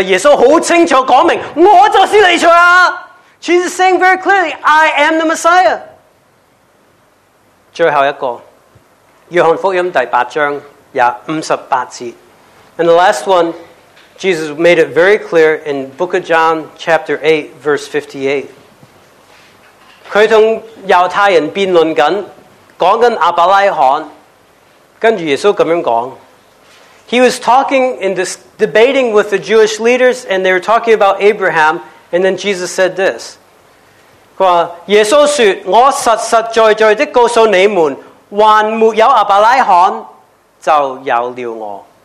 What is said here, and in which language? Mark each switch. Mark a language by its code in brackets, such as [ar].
[zh] 好有力啊,耶稣很清楚说明, 我就是弥赛亚! [en] Jesus is saying very clearly, I am the Messiah. [zh] 最后一个, 约翰福音第八章,也58节. [en] And the last one, Jesus made it very clear in Book of John, chapter 8, verse 58. [zh] 他跟犹太人辩论,讲跟亚伯拉罕,跟耶稣这样讲, [en] He was talking and debating with the Jewish leaders, and they were talking about Abraham, and then Jesus said this. [zh] 耶稣说,我实实在在的告诉你们, 还没有亚伯拉罕,就有了我。